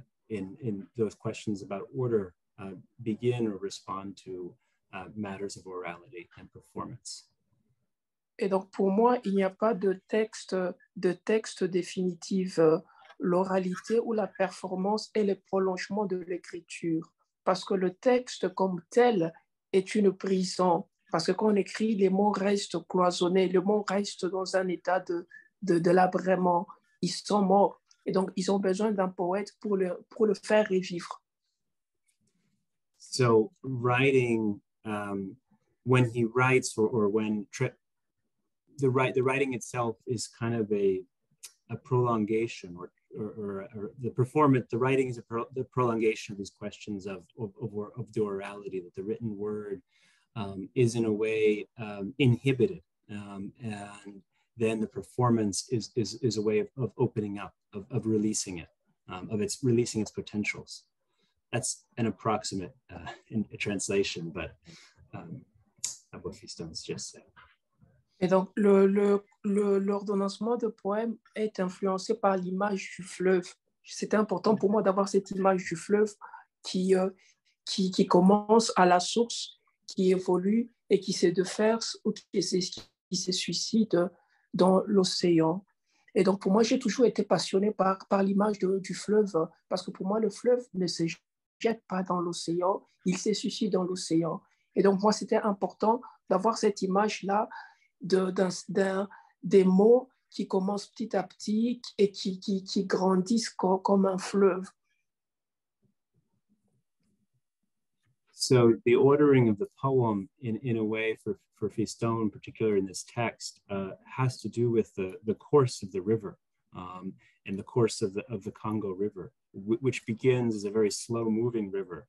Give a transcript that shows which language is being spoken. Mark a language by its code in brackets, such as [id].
[en] In those questions about order, begin or respond to matters of orality and performance. [fr] Et donc pour moi, il n'y a pas de texte définitif. L'oralité ou la performance est le prolongement de l'écriture. Parce que le texte comme tel est une prison. Parce que quand on écrit, les mots restent cloisonnés, les mots restent dans un état de délabrement. Ils sont morts. Et donc ils ont besoin d'un poète pour le faire revivre. [en] So, writing, when he writes or when the writing itself is kind of a prolongation or the performance, the writing is the prolongation of these questions of the orality, that the written word is in a way inhibited. And then the performance is a way of opening up, of releasing it, of its releasing its potentials. That's an approximate translation, but what Fiston's just said. [fr] Et donc, l'ordonnancement de poème est influencé par l'image du fleuve. C'était important pour moi d'avoir cette image du fleuve qui commence à la source, qui évolue et qui se déferse ou qui se suicide dans l'océan. Et donc, pour moi, j'ai toujours été passionné par l'image du fleuve, parce que pour moi, le fleuve ne se jette pas dans l'océan, il se suicide dans l'océan. Et donc, moi, c'était important d'avoir cette image-là des mots qui commencent petit à petit et qui grandissent comme un fleuve. [en] So the ordering of the poem in a way for Fiston, particularly in this text, has to do with the course of the river and the course of the Congo River, which begins as a very slow moving river.